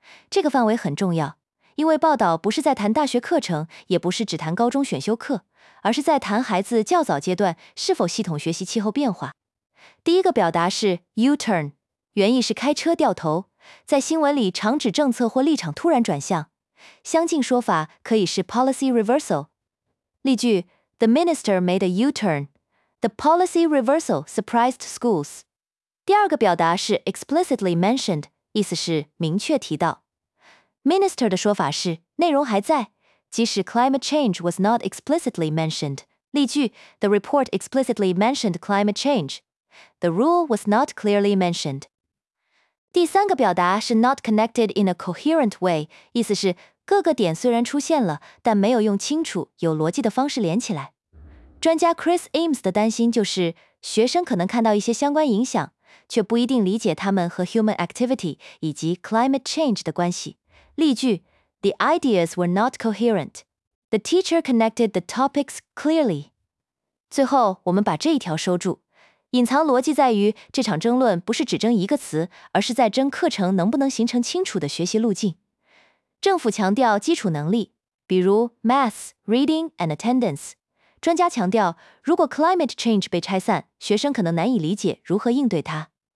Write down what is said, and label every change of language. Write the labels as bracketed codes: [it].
[zh] 这个范围很重要，因为报道不是在谈大学课程，也不是只谈高中选修课，而是在谈孩子较早阶段是否系统学习气候变化。第一个表达是 U-turn, 原意是开车掉头，在新闻里常指政策或立场突然转向。相近说法可以是 policy reversal。 [en] 例句 ,The minister made a U-turn,The policy reversal surprised schools. [zh] 第二个表达是 explicitly mentioned, 意思是明确提到。 [en] Minister [zh] 的说法是内容还在，即使 [en] climate change was not explicitly mentioned. 例句 ,The report explicitly mentioned climate change. The rule was not clearly mentioned. [zh] 第三个表达是 not connected in a coherent way, 意思是各个点虽然出现了，但没有用清楚、有逻辑的方式连起来。专家 Chris Ames 的担心就是，学生可能看到一些相关影响，却不一定理解他们和 human activity 以及 climate change 的关系。 [en] 例句 ,The ideas were not coherent. The teacher connected the topics clearly. [zh] 最后，我们把这一条收住。隐藏逻辑在于，这场争论不是只争一个词，而是在争课程能不能形成清楚的学习路径。政府强调基础能力，比如 [en] math, reading and attendance。 [zh] 专家强调，如果 climate change 被拆散，学生可能难以理解如何应对它。